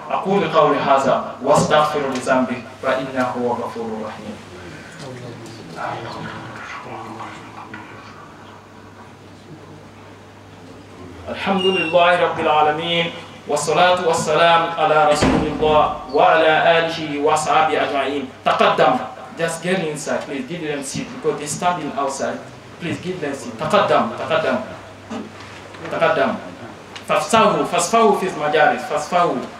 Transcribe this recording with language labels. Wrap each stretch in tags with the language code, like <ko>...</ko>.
<ar>أقول قولي هذا واستغفر لذنبي فإنه هو غفور رحيم. الحمد لله رب العالمين والصلاة والسلام على رسول الله وعلى آله وصحبه أجمعين. تقدم.</ar> <en>Just get inside. Please give them seat because they're standing outside. Please give them seat.</en> <ar>تقدم. تقدم. تقدم. فاسفهوا فاسفهوا في المجالس فاسفهوا.</ar>